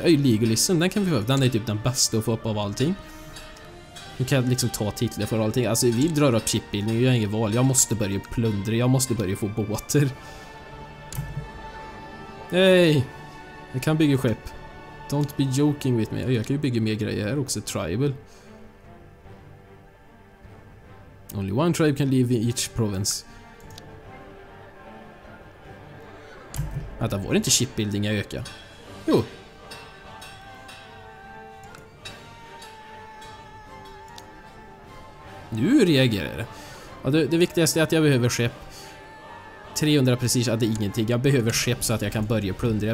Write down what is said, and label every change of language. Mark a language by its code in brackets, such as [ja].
[sv] Öj, legalism, den kan vi få. Den är typ den bästa att få upp av allting. Nu kan jag liksom ta titlar för allting. Alltså, vi drar upp chipbildning, jag har ingen val. Jag måste börja plundra, jag måste börja få båter. Hej! Jag kan bygga skepp. [en] Don't be joking with me. [sv] Jag kan ju bygga mer grejer här också, tribal. [en] Only one tribe can live in each province. [sv] Vänta, var det inte shipbuilding jag ökade? Jo. Nu reagerar jag. Ja, det viktigaste är att jag behöver skepp. 300 precis, att det är ingenting. Jag behöver skepp så att jag kan börja plundra.